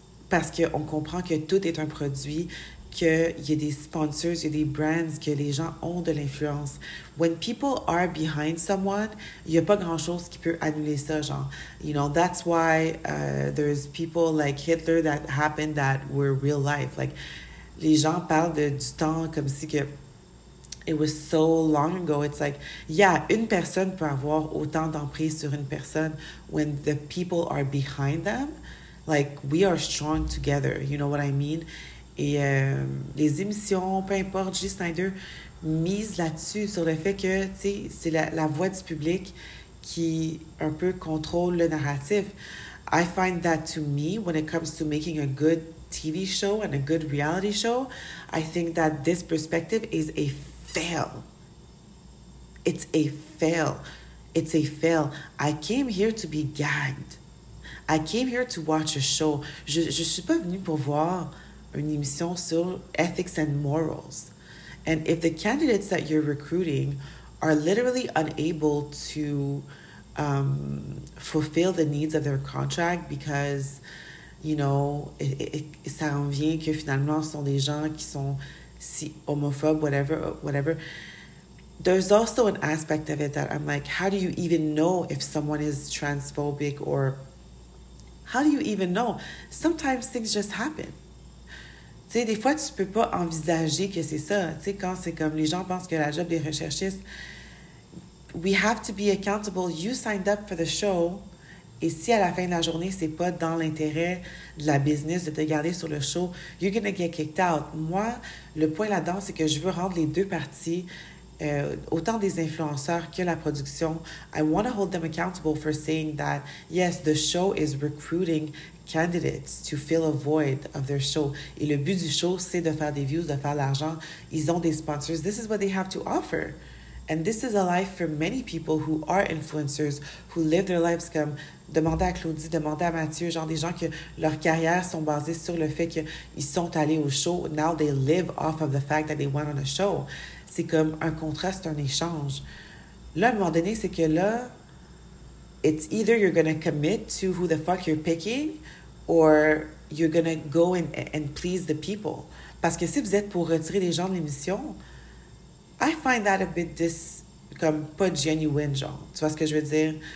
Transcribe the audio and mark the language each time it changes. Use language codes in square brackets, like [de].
[fr] Parce qu'on comprend que tout est un produit, qu'il y a des sponsors, il y a des brands, que les gens ont de l'influence. [en] When people are behind someone, [fr] il y a pas grand-chose qui peut annuler ça, genre. [en] You know, that's why there's people like Hitler that happened that were real life. [fr] Like, les gens parlent du temps comme si que [en] it was so long ago. It's like, yeah, [fr] une personne peut avoir autant d'emprise sur une personne [en] when the people are behind them. Like, we are strong together, you know what I mean? [fr] Et les émissions, peu importe, Julie Snyder mise là-dessus, sur le fait que, tu sais, c'est la voix du public qui un peu contrôle le narratif. [en] I find that to me, when it comes to making a good TV show and a good reality show, I think that this perspective is a fail. It's a fail. It's a fail. I came here to be gagged. I came here to watch a show. [fr] Je suis pas venue pour voir une émission sur [en] ethics and morals. And if the candidates that you're recruiting are literally unable to fulfill the needs of their contract because, you know, [fr] ça en vient que finalement ce sont des gens qui sont si homophobes, [en] whatever. There's also an aspect of it that I'm like, how do you even know if someone is transphobic or How do you even know? Sometimes things just happen. [fr] Tu sais, des fois, tu peux pas envisager que c'est ça. Tu sais, quand c'est comme les gens pensent que la job des recherchistes, [en] we have to be accountable. You signed up for the show. [fr] Et si à la fin de la journée, c'est pas dans l'intérêt de la business de te garder sur le show, [en] you're gonna get kicked out. [fr] Moi, le point là-dedans, c'est que je veux rendre les deux parties, autant des influenceurs que la production. [en] I want to hold them accountable for saying that, yes, the show is recruiting candidates to fill a void of their show. [fr] Et le but du show, c'est de faire des views, de faire de l'argent. Ils ont des sponsors. [en] This is what they have to offer. And this is a life for many people who are influencers, who live their lives comme... [fr] Demandez à Claudie, demandez à Mathieu, genre des gens que leur carrière sont basées sur le fait qu'ils sont allés au show. [en] Now they live off of the fact that they went on a show. [fr] C'est comme un contrat, c'est un échange. Là, à un moment donné, c'est que là, [en] it's either you're going to commit to who the fuck you're picking or you're going to go and please the people. [fr] Parce que si vous êtes pour retirer les gens de l'émission, [en] I find that a bit [fr] comme pas genuine, genre. Tu vois ce que je veux dire?